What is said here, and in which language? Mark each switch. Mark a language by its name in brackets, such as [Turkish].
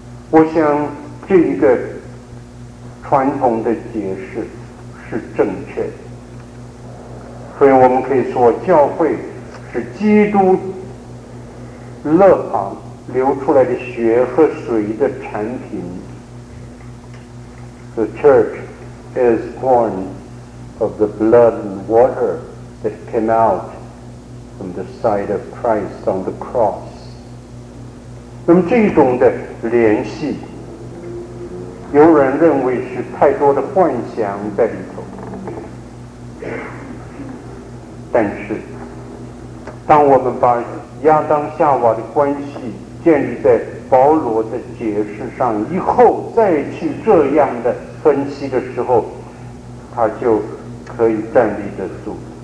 [Chinese] 我想这一个传统的解释是正确的，所以我们可以说教会是基督肋旁流出来的血和水的产品。 [English] The church is born of the blood and water that came out from the side of Christ on the cross。 [Chinese] 那么这种的联系，有人认为是太多的幻想在里头，但是当我们把亚当夏娃的关系建立在保罗的解释上以后，再去这样的分析的时候，他就可以站立得住。